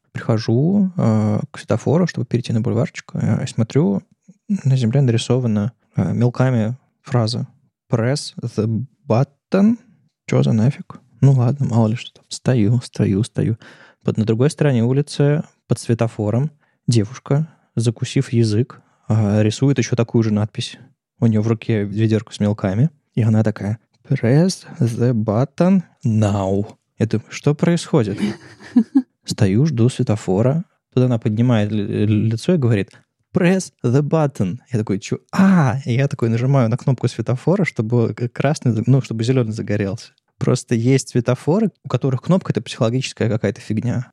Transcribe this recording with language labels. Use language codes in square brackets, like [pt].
[ru] Прихожу к светофору, чтобы перейти на бульварчик, и смотрю, на земле нарисована мелками фраза [en] «Press the button». [ru] Что за нафиг? Ну ладно, мало ли что. Стою. Вот на другой стороне улицы, под светофором, девушка, закусив язык, рисует еще такую же надпись. У нее в руке ведерко с мелками. И она такая: [en] «Press the button now». [ru] Я думаю, что происходит? Стою, жду светофора. Тут она поднимает лицо и говорит: [en] «Press the button». [ru] Я такой: «А!» И я такой нажимаю на кнопку светофора, чтобы красный, ну, чтобы зеленый загорелся. Просто есть светофоры, у которых кнопка — это психологическая какая-то фигня.